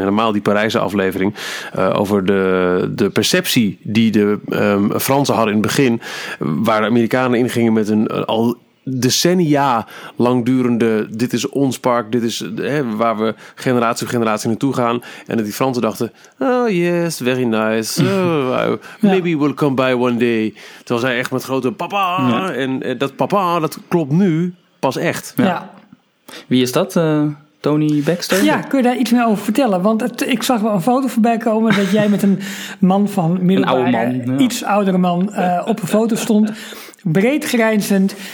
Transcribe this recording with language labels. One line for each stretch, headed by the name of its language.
Dutch: Helemaal die Parijse aflevering over de perceptie die de Fransen hadden in het begin. Waar de Amerikanen ingingen met een al decennia langdurende, dit is ons park, dit is waar we generatie op generatie naartoe gaan. En dat die Fransen dachten,
English: oh yes, very nice, maybe, ja, we'll come by one day.
Dutch: Terwijl zij echt met grote papa, ja, en dat papa, dat klopt nu. Pas echt. Ja. Ja. Wie is dat? Tony Baxter? Ja, kun je daar iets meer over vertellen? Want ik zag wel een foto voorbij komen dat jij met een man van middelbare, een oude man, ja, iets oudere man op een foto stond. Breed grijnzend.